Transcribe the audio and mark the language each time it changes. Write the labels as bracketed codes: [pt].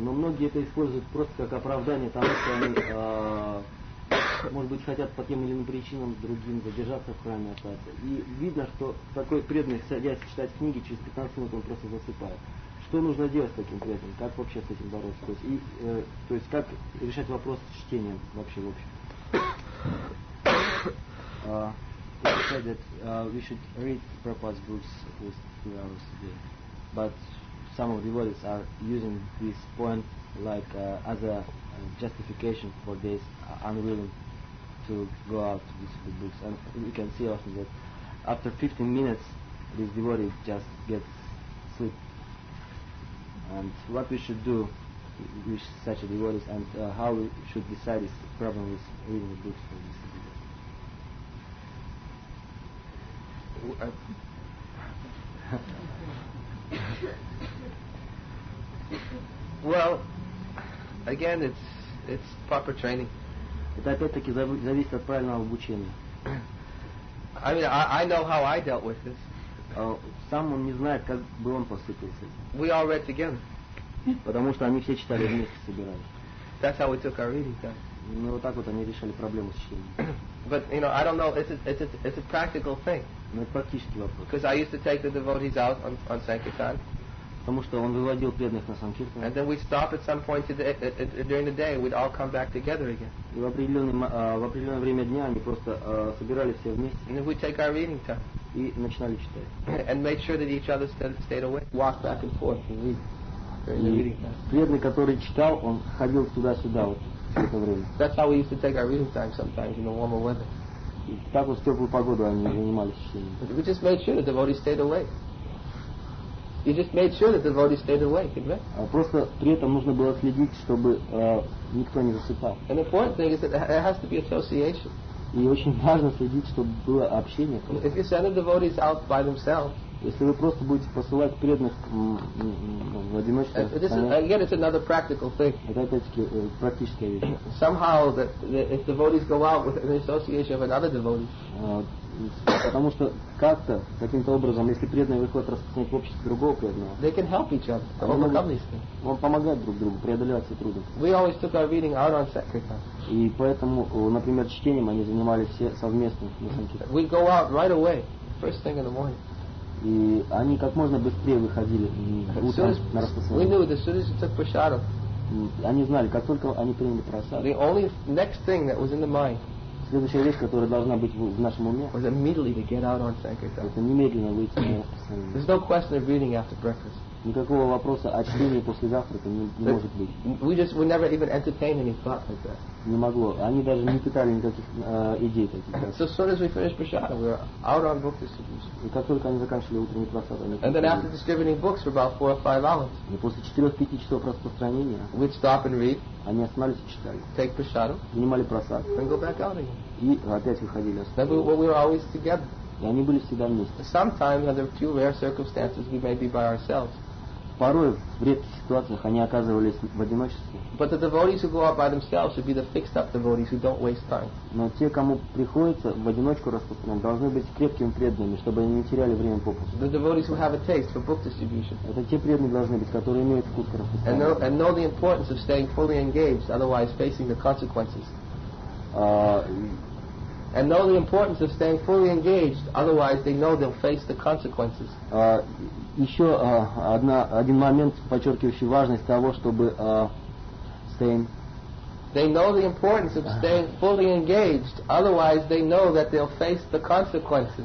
[ru] Но многие это используют просто как оправдание тому, что они, может быть, хотят по тем или иным причинам другим задержаться в храме остаться. И видно, что такой преданный, садясь читать книги, через 15 минут он просто засыпает. Что нужно делать с таким преданным? Как вообще с этим бороться? То есть как решать вопрос с чтением вообще в общем? [en] He said that we should read Prabhupada's books at least 2 hours a day. But some of the devotees are using this point like as a justification for this unwilling to go out to distribute books. And we can see often that after 15 minutes this devotee just gets sleep. And what we should do with such a devotee and how we should decide this problem with reading the books for this. Well, again, it's proper training. [ru] Это опять-таки зависит от правильного обучения. [en] I mean, I know how I dealt with this. [ru] Сам он не знает, как бы он поступил с этим. [en] We all read together. [ru] Потому что они все читали вместе, собирались. [en] That's how we took our reading time. [ru] Ну вот так вот они решали проблему с чтением. [en] But you know, I don't know. It's a practical thing. [ru] Ну это практический вопрос. [en] Because I used to take the devotees out on sankirtan. [ru] Потому что он выводил преданных на санкиртан. [en] And then we'd stop at some point during the day. We'd all come back together again. [ru] И в определенное время дня они просто собирали все вместе. [en] And we'd take our reading time. [ru] И начинали читать. [en] And make sure that each other stayed awake. Walk back and forth and read. [ru] Преданный, который читал, он ходил туда-сюда вот в это время. [en] That's how we used to take our reading time sometimes in the warmer weather. [ru] И так вот в теплую погоду они занимались чтением. [en] We just made sure that the devotee stayed awake. You just made sure that the devotee stayed awake, didn't you? [ru] Просто при этом нужно было следить, чтобы никто не засыпал. [en] And the important thing is that there has to be association. [ru] И очень важно следить, чтобы было общение. [en] If you send the devotees out by themselves. [ru] Если вы просто будете посылать преданных в одиночку, [en] again, it's another practical thing. [ru] Это опять-таки практическая вещь. [en] Somehow if devotees go out with an association of another devotee. [ru] Потому что как-то, каким-то образом, если преданные выходят распространять в обществе другого преданного, [en] they can help each other to overcome these things. [ru] Вам помогают друг другу преодолевать все трудности. [en] We always took our reading out on sankirtan. [ru] И поэтому, например, чтением они занимались все совместно на санкиртане. [en] We'd go out right away, first thing in the morning. [ru] И они как можно быстрее выходили на распространение. [en] We knew as soon as you took prasadam. [ru] Они знали, как только они приняли прасад. [en] The only next thing that was in the mind. [ru] Следующая вещь, которая должна быть в нашем уме. [en] Was immediately to get out on sankirtan. [ru] Это немедленно выйти на распространение. [en] There's no question of reading after breakfast. [ru] Никакого вопроса о чтении после завтрака не может быть. [en] We just would never even entertain any thought like that. [ru] Не могло. Они даже не питали никаких идей таких. [en] So as soon as we finished prasada, we were out on book distribution. [ru] И как только они заканчивали утренний просад, они. [en] And then after distributing books for about 4 or 5 hours. [ru] И после 4-5 часов распространения. [en] We'd stop and read. [ru] Они остановились и читали. [en] Take prasada. [ru] Принимали просад. [en] And go back out again. [ru] И опять выходили. [en] Then we were always together. [ru] И они были всегда вместе. [en] Sometimes under a few rare circumstances we may be by ourselves. [ru] Порой в редких ситуациях они оказывались в одиночестве. [en] But the devotees who go out by themselves should be the fixed-up devotees who don't waste time. [ru] Но те, кому приходится в одиночку распространять, должны быть крепкими преданными, чтобы они не теряли время попусту. [en] The devotees who have a taste for book distribution. [ru] Это те преданные должны быть, которые имеют вкус к распространению. [en] And know the importance of staying fully engaged, otherwise facing the consequences. And know the importance of staying fully engaged, otherwise they know they'll face the consequences. [ru] Еще один момент, подчеркивающий важность того, чтобы staying. [en] They know the importance of staying fully engaged, otherwise they know that they'll face the consequences.